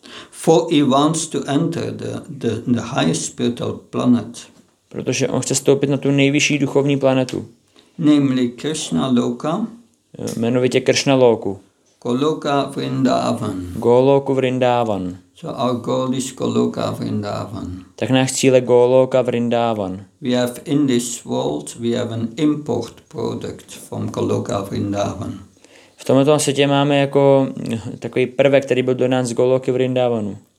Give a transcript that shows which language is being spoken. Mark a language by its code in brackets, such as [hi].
[en] For he wants to enter the highest spiritual planet. [cs] Protože on chce stoupit na tu nejvyšší duchovní planetu. [en] Namely Krishna Loka. [cs] Jmenovitě Krishna Loku. [en] Goloka Vrindavan. [cs] Goloku Vrindavan. [en] So our goal is Goloka Vrindavan. [cs] Tak náš cíl je Goloka Vrindavan. [en] We have in this world we have an import product from Goloka Vrindavan. [cs] V tomto světě máme jako takový prvek, který byl do nás z Goloky Vrindavanu.